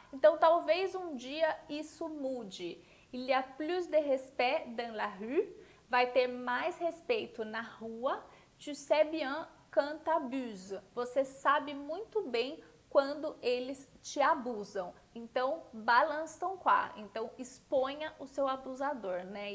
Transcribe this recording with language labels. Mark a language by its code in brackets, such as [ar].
[pt] Então talvez um dia isso mude. [fr] Il y a plus de respect dans la rue, [pt] vai ter mais respeito na rua, [fr] tu sais bien quand t'abuses. [pt] Você sabe muito bem quando eles te abusam. Então, balance ton quoi. Então, exponha o seu abusador, né?